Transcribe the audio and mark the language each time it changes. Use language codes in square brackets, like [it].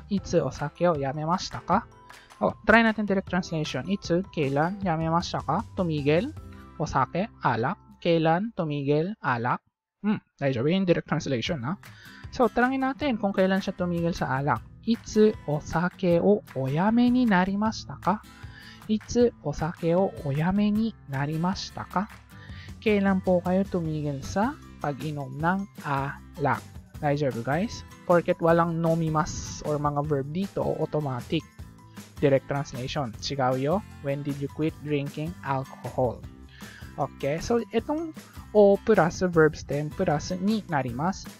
[ja] Itsu osake o yame mashita ka? [tl] Oh, try natin direct translation. Itsu, kailan, yame mashita ka? Tumigil, osake, alak. Kailan, tumigil, alak. Daijoubu yung direct translation, ha? So, tanungin natin kung kailan siya tumigil sa alak. [ja] Itsu osake o oyame ni narimashita ka? いつお酒をおやめになりましたか？ [tl] Kailan po kayo tumigil sa pag-inom ng alak? 大丈夫 guys? Porket walang nomimas or mga verb dito, automatic. [en] Direct translation, [ja] 違うよ。 [en] When did you quit drinking alcohol? Okay, so itong o plus verb stem plus になります。